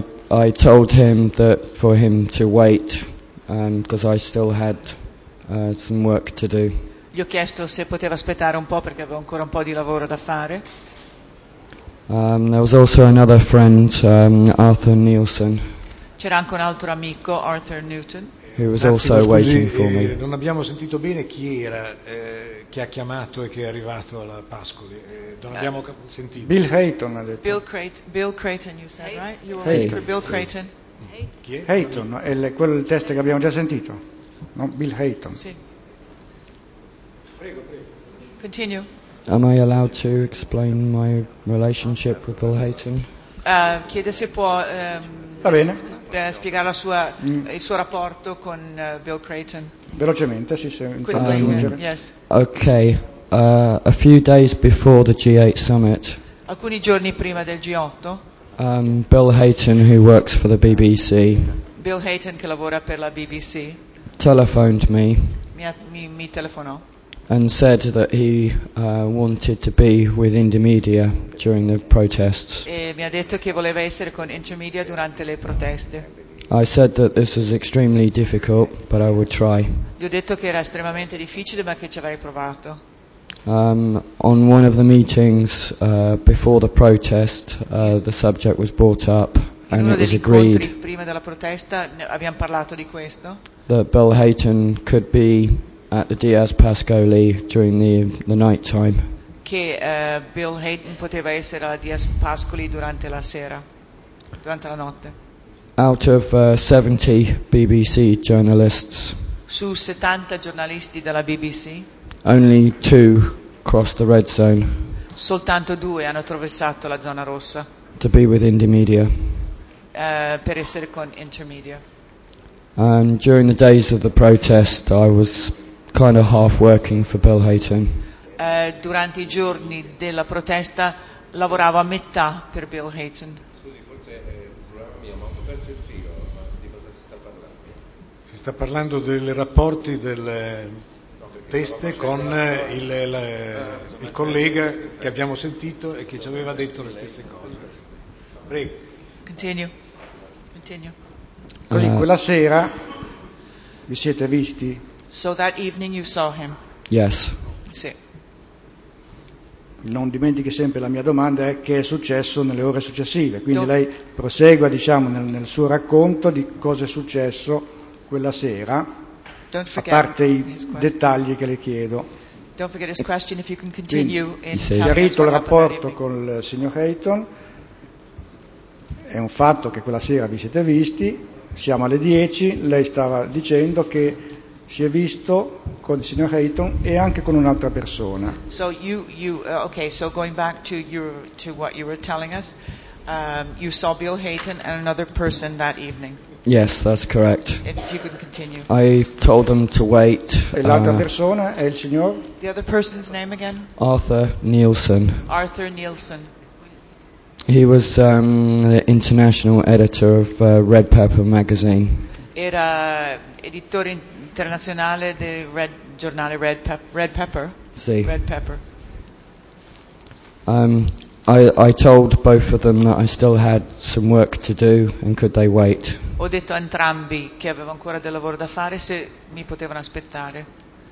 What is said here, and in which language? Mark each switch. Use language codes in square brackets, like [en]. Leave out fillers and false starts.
[en] I told him that for him to wait, because I still had some work to do. [it] Gli ho chiesto se poteva aspettare un po' perché avevo ancora un po' di lavoro da fare. [en] There was also another friend, Arthur Nielsen. [it] C'era anche un altro amico, Arthur Newton. [en] He was also waiting for me. [it] Non abbiamo sentito bene chi era che ha chiamato e che è arrivato alla Pascoli. Non abbiamo sentito. Bill Hayton ha detto. [en] Bill Creighton, you said, right? You were looking for Bill Creighton. [it] Chi è? Hayton, è quel test che abbiamo già sentito. No, Bill Hayton. Sì. Prego, prego. [en] Continue. Am I allowed to explain my relationship with Bill Hayton? [it] Chiede se può va bene. Spiegare la sua, il suo rapporto con Bill Creighton. Velocemente, sì, se intanto aggiungere. [en] Yes. Ok, a few days before the G8 summit. [it] Alcuni giorni prima del G8. [en] Bill Hayton, who works for the BBC. [it] Bill Hayton, che lavora per la BBC. [en] Telephoned me. [it] Mi telefonò. [en] And said that he wanted to be with Indymedia during the protests. [it] E mi ha detto che voleva essere con Indymedia durante le proteste. [en] I said that this was extremely difficult, but I would try. [it] Gli ho detto che era estremamente difficile, ma che ci avrei provato. [en] On one of the meetings before the protest, the subject was brought up. [it] In uno [en] and it [it] degli [en] was agreed [it] incontri prima della protesta abbiamo parlato di questo. [en] That Bill Hayton could be at the Diaz Pascoli during the night time. [it] Che Bill Hayton poteva essere a Diaz Pascoli durante la sera, durante la notte. [en] Out of 70 BBC journalists. [it] Su 70 giornalisti della BBC. [en] Only two crossed the red zone. [it] Soltanto due hanno attraversato la zona rossa. [en] To be with Indymedia. [it] Per essere con Indymedia. [en] And during the days of the protest, I was kind of half working for Bill Hayton. [it] Durante I giorni della protesta lavoravo a metà per Bill Hayton. Scusi, forse è un problema mio, ma ho perso il filo, ma di cosa si sta parlando? Si sta parlando dei rapporti del teste con il collega che abbiamo sentito e che ci aveva detto le stesse cose. Prego. [en] Continue. [it] Così quella sera vi siete visti? [en] So that evening you saw him. Yes. [it] Sì. Non dimentichi sempre la mia domanda è che è successo nelle ore successive. Quindi lei prosegua, diciamo, nel suo racconto di cosa è successo quella sera. [en] Don't forget [it] a parte i dettagli che le chiedo. [en] Don't forget his question if you can continue. [it] Quindi, si è chiarito il rapporto con il signor Hayton. È un fatto che quella sera vi siete visti, siamo alle 10, lei stava dicendo che si è visto con il signor Hayton e anche con un'altra persona. [en] So so going back to what you were telling us, you saw Bill Hayton and another person that evening. Yes, that's correct. If you can continue. I told them to wait. [it] E l'altra persona è il signor? [en] The other person's name again? Arthur Nielsen. Arthur Nielsen. He was the international editor of Red Pepper magazine. [it] Era editore internazionale del giornale Red Pepper. Sì. Red Pepper. [en] I told both of them that I still had some work to do and could they wait? [it] Ho detto a entrambi che avevo ancora del lavoro da fare se mi potevano aspettare.